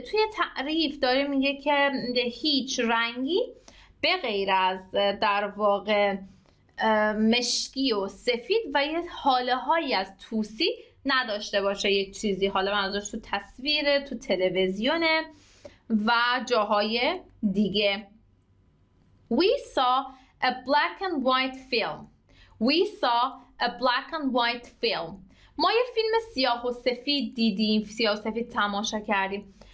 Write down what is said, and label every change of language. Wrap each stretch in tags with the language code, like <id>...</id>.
<fa>توی تعریف داره میگه که هیچ رنگی به غیر از در واقع مشکی و سفید و یه حاله هایی از توسی نداشته باشه یک چیزی. حالا منظورش تو تصویره، تو تلویزیونه و جاهای دیگه.</fa> <en>We saw a black and white film. We saw a black and white film.</en> <fa>ما یه فیلم سیاه و سفید دیدیم، سیاه و سفید تماشا کردیم.</fa>